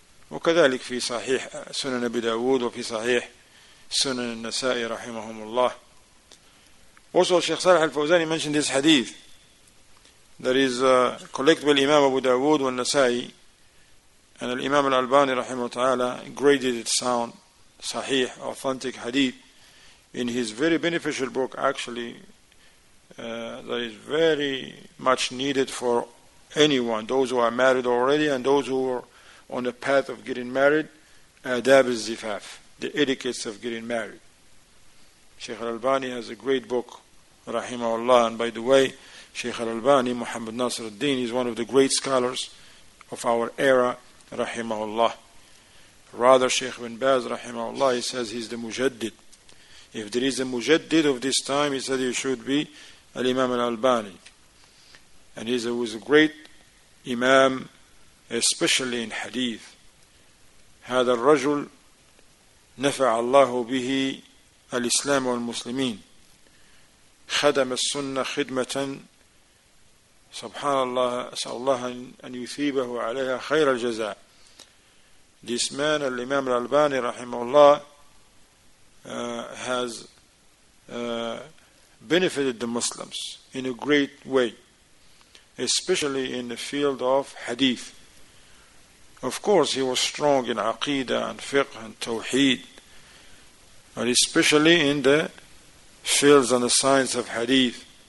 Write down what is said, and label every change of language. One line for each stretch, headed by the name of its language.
Arabic: وكذلك في صحيح سنن أبي داود وفي صحيح سنن النسائي رحمهم الله.
English: Also Sheikh Salah al-Fawzani mentioned this hadith that is collected by Imam Abu Dawood and Nasa'i, and Imam al-Albani rahimahu ta'ala graded it sound sahih, authentic hadith in his very beneficial book, actually that is very much needed for anyone, those who are married already and those who are on the path of getting married, Adab al-Zifaf, the etiquettes of getting married. Sheikh al-Albani has a great book, Rahimahullah, and by the way, Sheikh al-Albani, Muhammad Nasir al-Din, is one of the great scholars of our era, Rahimahullah. Rather, Sheikh bin Baz, Rahimahullah, he says he's the Mujaddid. If there is a Mujaddid of this time, he said he should be Al-Imam al-Albani. And he was a great Imam, especially in hadith.
Arabic: هذا الرجل نفع الله به الإسلام والمسلمين خدم السنة خدمة سبحان الله أسأل الله أن يثيبه عليها خير الجزاء.
English: This man,
Arabic: الإمام الألباني رحمه الله,
English: has benefited the Muslims in a great way, especially in the field of hadith. Of course, he was strong in aqidah and fiqh and tawheed, but especially in the fields and the science of hadith.